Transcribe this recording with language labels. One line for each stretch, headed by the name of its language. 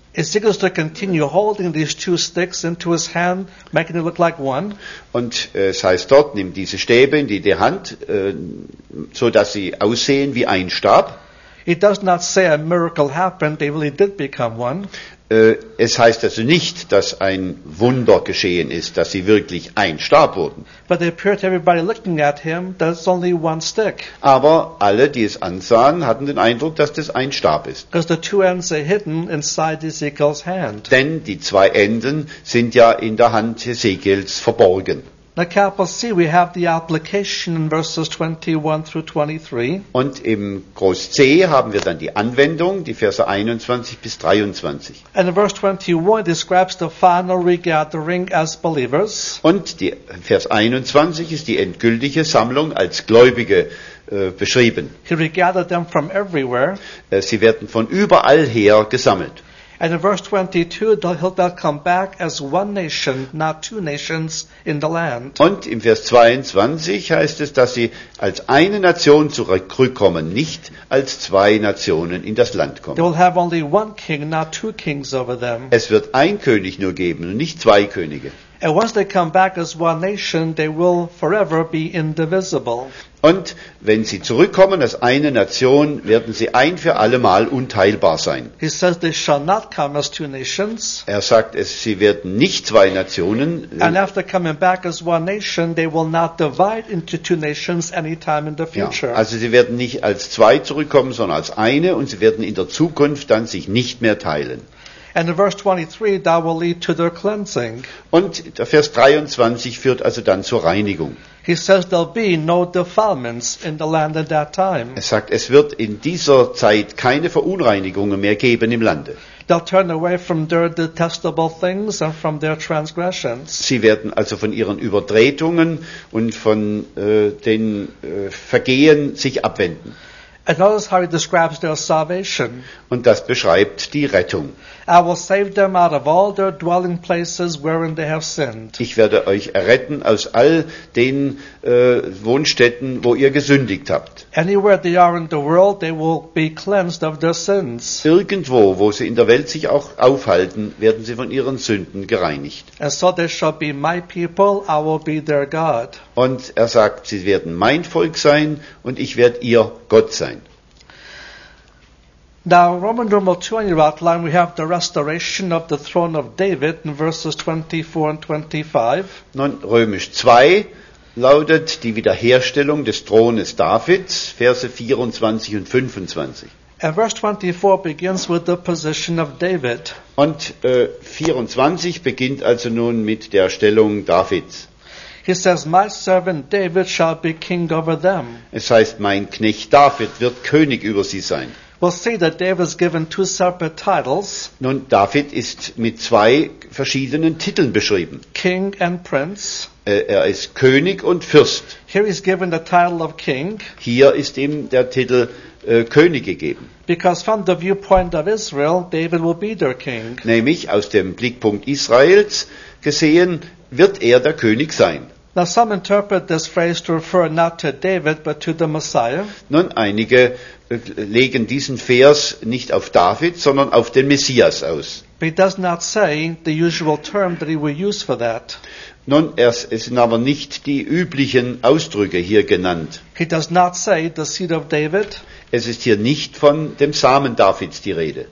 English: Ezekiel is to continue holding these two sticks into his hand, making it look like one.
German: Und es heißt dort, nimm diese Stäbe in die Hand, so dass sie aussehen wie ein Stab.
English: It does not say a miracle happened, they really did become one.
German: Es heißt also nicht, dass ein Wunder geschehen ist, dass sie wirklich ein Stab wurden.
English: But they appeared to everybody looking at him, that it's only one stick.
German: Aber alle, die es ansahen, hatten den Eindruck, dass das ein Stab ist.
English: Because the two ends are hidden inside Ezekiel's hand.
German: Denn die zwei Enden sind ja in der Hand Ezekiels verborgen.
English: Now, capital C, we have the application in verses 21 through 23.
German: Und im Groß C haben wir dann die Anwendung, die Verse 21 bis 23.
English: And in verse 21 describes the final regathering as believers.
German: Und die Vers 21 ist die endgültige Sammlung als Gläubige beschrieben.
English: He regathered them from everywhere.
German: Sie werden von überall her gesammelt.
English: And in verse 22, they'll come back as one nation, not two nations in the land.
German: Und im Vers 22 heißt es, dass sie als eine Nation zurückkommen, nicht als zwei Nationen in das Land kommen.
English: They will have only one king, not two kings over them.
German: Es wird ein König nur geben und nicht zwei Könige.
English: And once they come back as one nation, they will forever be indivisible.
German: Und wenn sie zurückkommen als eine Nation, werden sie ein für alle Mal unteilbar sein.
English: He says they shall not come as two nations.
German: Er sagt, sie werden nicht zwei Nationen.
English: And after coming back as one nation, they will not divide into two nations anytime in the future.
German: Ja, also sie werden nicht als zwei zurückkommen, sondern als eine, und sie werden in der Zukunft dann sich nicht mehr teilen.
English: And in verse 23, that will lead to their cleansing.
German: Und der Vers 23 führt also dann zur Reinigung.
English: He says there'll be no defilements in the land at that time.
German: Er sagt, es wird in dieser Zeit keine Verunreinigungen mehr geben im Lande.
English: They'll turn away from their detestable things and from their transgressions.
German: Sie werden also von ihren Übertretungen und von den Vergehen sich abwenden.
English: And notice how he describes their salvation.
German: Und das beschreibt die Rettung.
English: I will save them out of all their dwelling places wherein they have sinned.
German: Ich werde euch erretten aus all den Wohnstätten, wo ihr gesündigt habt.
English: Anywhere they are in the world, they will be cleansed of their sins.
German: Irgendwo, wo sie in der Welt sich auch aufhalten, werden sie von ihren Sünden gereinigt.
English: And so they shall be my people, I will be their God.
German: Und er sagt, sie werden mein Volk sein und ich werde ihr Gott sein.
English: Now, Roman numeral 2 on your outline, we have the restoration of the throne of David in verses 24 and 25.
German: Nun, Römisch 2 lautet die Wiederherstellung des Thrones Davids, Verse 24 und 25.
English: And verse 24 begins with the position of David.
German: Und 24 beginnt also nun mit der Stellung Davids.
English: He says, "My servant David shall be king over them."
German: Es heißt, mein Knecht David wird König über sie sein.
English: We'll see that David is given two separate titles.
German: Nun, David ist mit zwei verschiedenen Titeln beschrieben.
English: King and Prince.
German: Er ist König und Fürst.
English: Here is given the title of King.
German: Hier ist ihm der Titel König gegeben.
English: Because from the viewpoint of Israel, David will be their king.
German: Nämlich aus dem Blickpunkt Israels gesehen, wird er der König sein.
English: Now some interpret this phrase to refer not to David, but to the Messiah.
German: Nun, einige legen diesen Vers nicht auf David, sondern auf den Messias aus.
English: But he does not say the usual term that he will use for that.
German: Nun, es sind aber nicht die üblichen Ausdrücke hier genannt.
English: He does not say the seed of David.
German: Es ist hier nicht von dem Samen Davids die Rede.